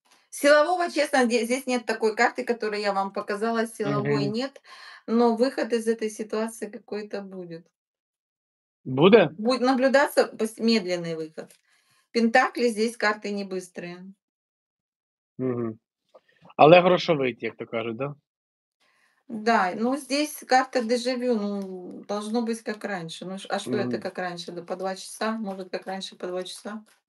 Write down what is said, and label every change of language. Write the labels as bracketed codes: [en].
[ru] Силового, честно, здесь нет такой карты, которую я вам показала. Силовой нет, но выход из этой ситуации какой-то будет. Будет? Будет наблюдаться медленный выход. Пентакли здесь карты не быстрые. [uk] Але грошовий, як то кажуть, да? [ru] Да, ну здесь карта дежавю, ну, должно быть как раньше. Ну, а что это как раньше? Да по два часа? Может, как раньше по два часа?